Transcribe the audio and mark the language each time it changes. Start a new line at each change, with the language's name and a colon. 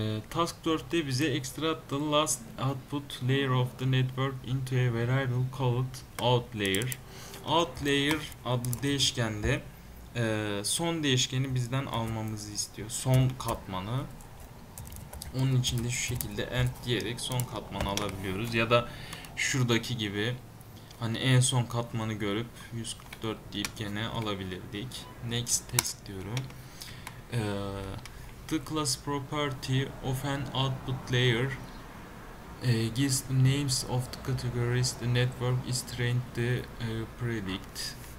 English: Task 4'te
Turkish: bize
English: extract the last output layer of the network into a variable called outlayer.
Turkish: Outlayer adlı değişkende son değişkeni bizden almamızı istiyor. Son katmanı. Onun içinde şu şekilde end diyerek son katmanı alabiliyoruz ya da şuradaki gibi hani en son katmanı görüp 144 deyip gene alabilirdik.
English: Next test
Turkish: diyorum.
English: The class property of an output layer gives the names of the categories the network is trained to predict.